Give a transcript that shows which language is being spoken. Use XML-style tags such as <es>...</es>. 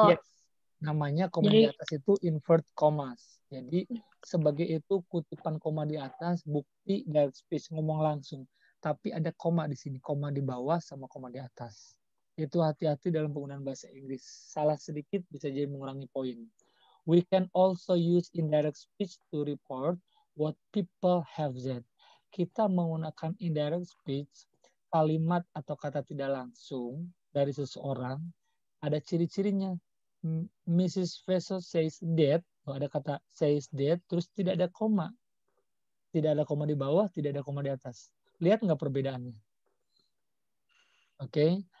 <id>Yes. Namanya koma di atas itu inverted commas. Jadi, sebagai itu kutipan koma di atas, bukti direct speech, ngomong langsung. Tapi ada koma di sini, koma di bawah sama koma di atas. Itu hati-hati dalam penggunaan bahasa Inggris. Salah sedikit bisa jadi mengurangi poin.</id> <en>We can also use indirect speech to report what people have said.</en> <id>Kita menggunakan indirect speech, kalimat atau kata tidak langsung dari seseorang, ada ciri-cirinya. Mrs.</id> <en>Faisal says that,</en> <id>ada kata says that, terus tidak ada koma. Tidak ada koma di bawah, tidak ada koma di atas. Lihat nggak perbedaannya? Oke.</id>